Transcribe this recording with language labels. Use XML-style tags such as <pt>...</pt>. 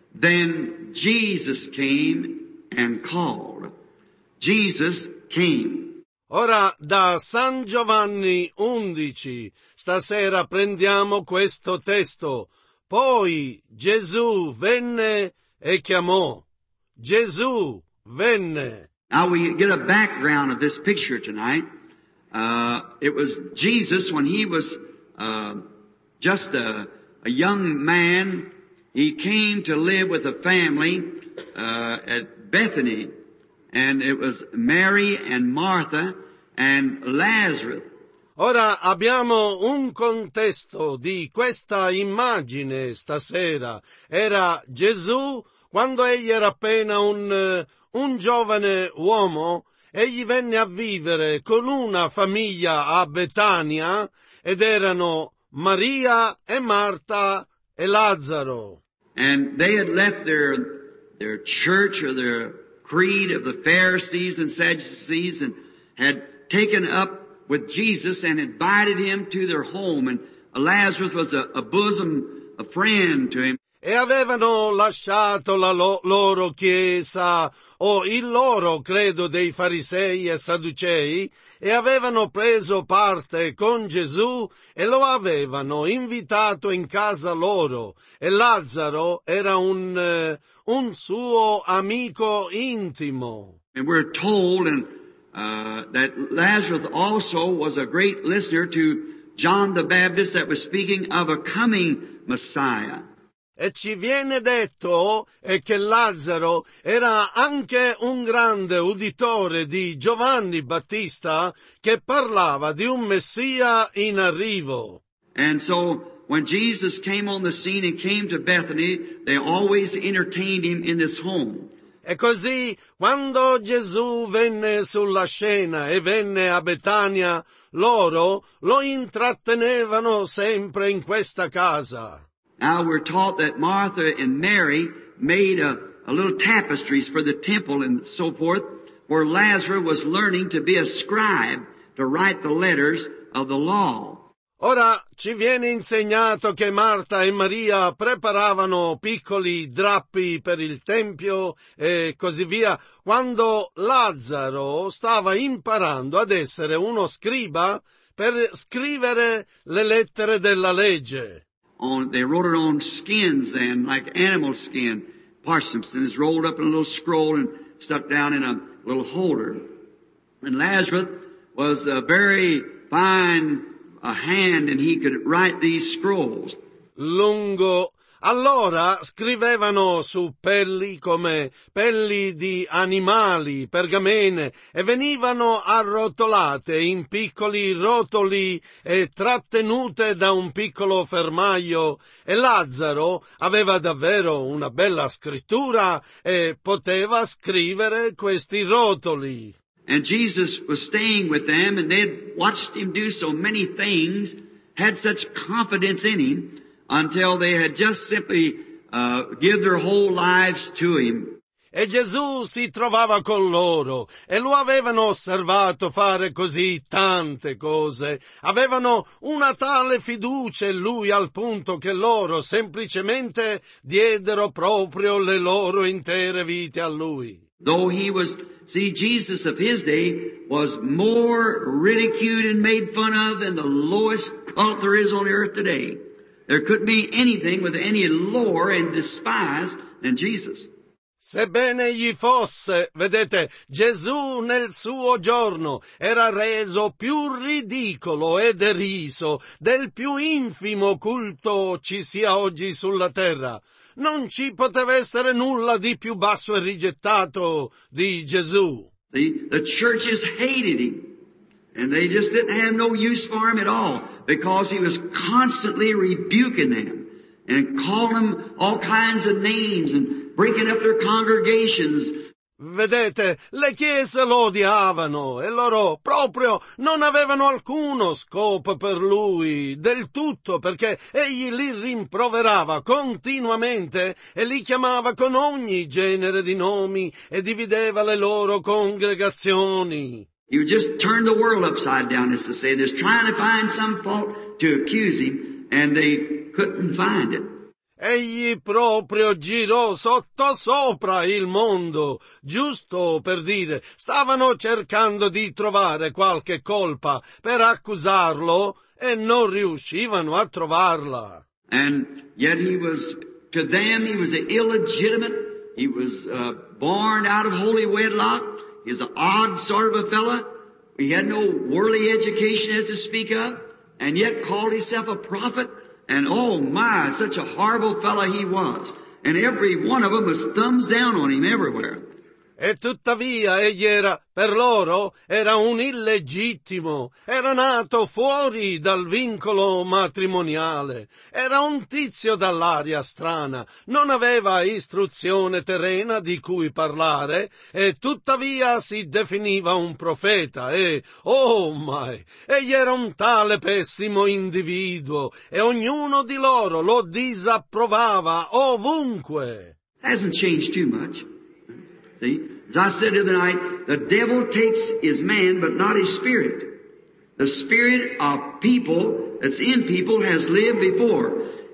<en>Then Jesus came and called. Jesus came.</en> <it>Ora da San Giovanni 11 stasera prendiamo questo testo. Poi Gesù venne e chiamò. Gesù venne.</it> <en>Now we get a background of this picture tonight. It was Jesus when he was just a young man. He came to live with a family at Bethany. And it was Mary and Martha and Lazarus.</en> <it>Ora abbiamo un contesto di questa immagine stasera. Era Gesù quando egli era appena un giovane uomo. Egli venne a vivere con una famiglia a Betania ed erano Maria e Marta e Lazzaro.</it> <en>And they had left their church or their creed of the Pharisees and Sadducees and had taken up with Jesus and invited him to their home and Lazarus was a bosom a friend to him.</en> <it>E avevano lasciato la loro chiesa o il loro credo dei farisei e sadducei e avevano preso parte con Gesù e lo avevano invitato in casa loro e Lazzaro era un suo amico intimo.</it> <en>And we're told that Lazarus also was a great listener to John the Baptist that was speaking of a coming Messiah.</en> <it>E ci viene detto che Lazzaro era anche un grande uditore di Giovanni Battista che parlava di un Messia in arrivo.</it> <en>And so when Jesus came on the scene and came to Bethany, they always entertained him in this home.</en> <it>E così, quando Gesù venne sulla scena e venne a Betania, loro lo intrattenevano sempre in questa casa.</it> <en>Now we're taught that Martha and Mary made a little tapestries for the temple and so forth, where Lazarus was learning to be a scribe to write the letters of the law.</en> <it>Ora ci viene insegnato che Marta e Maria preparavano piccoli drappi per il tempio e così via, quando Lazzaro stava imparando ad essere uno scriba per scrivere le lettere della legge.</it> <en>They wrote it on skins then, like animal skin, parchments, and it's rolled up in a little scroll and stuck down in a little holder. And Lazarus was a very fine hand, and he could write these scrolls.</en> <it>Lungo. Allora scrivevano su pelli come pelli di animali, pergamene, e venivano arrotolate in piccoli rotoli e trattenute da un piccolo fermaio. E Lazzaro aveva davvero una bella scrittura e poteva scrivere questi rotoli.</it> <en>And Jesus was staying with them, and they had watched him do so many things, had such confidence in him, until they had just simply give their whole lives to him.</en> <it>E Gesù si trovava con loro e lo avevano osservato fare così tante cose. Avevano una tale fiducia in lui al punto che loro semplicemente diedero proprio le loro intere vite a lui.</it> <en>Though he was, see, Jesus of his day was more ridiculed and made fun of than the lowest cult there is on earth today. There could be anything with any lower and despised than Jesus.</en> <it>Sebbene gli fosse, vedete, Gesù nel suo giorno era reso più ridicolo e deriso del più infimo culto ci sia oggi sulla terra. Non ci poteva essere nulla di più basso e rigettato di Gesù.</it> <en>The churches hated him. And they just didn't have no use for him at all, because he was constantly rebuking them and calling them all kinds of names and breaking up their congregations.</en> <it>Vedete, le chiese lo odiavano e loro proprio non avevano alcuno scopo per lui, del tutto, perché egli li rimproverava continuamente e li chiamava con ogni genere di nomi e divideva le loro congregazioni.</it> <en>You just turn the world upside down, as to say, just trying to find some fault to accuse him, and they couldn't find it.</en> <it>Egli proprio girò sotto sopra il mondo, giusto per dire, stavano cercando di trovare qualche colpa per accusarlo, e non riuscivano a trovarla.</it> <en>And yet he was, to them, he was illegitimate, he was born out of holy wedlock. He's an odd sort of a fella. He had no worldly education as to speak of, and yet called himself a prophet. And oh my, such a horrible fella he was. And every one of them was thumbs down on him everywhere.</en> <it>E tuttavia egli era, per loro, era un illegittimo, era nato fuori dal vincolo matrimoniale, era un tizio dall'aria strana, non aveva istruzione terrena di cui parlare, e tuttavia si definiva un profeta, e, oh mai, egli era un tale pessimo individuo, e ognuno di loro lo disapprovava ovunque.</it> <en>Hasn't changed too much. See, as I said the other night, the devil takes his man, but not his spirit. The spirit of people that's in people has lived before.</en>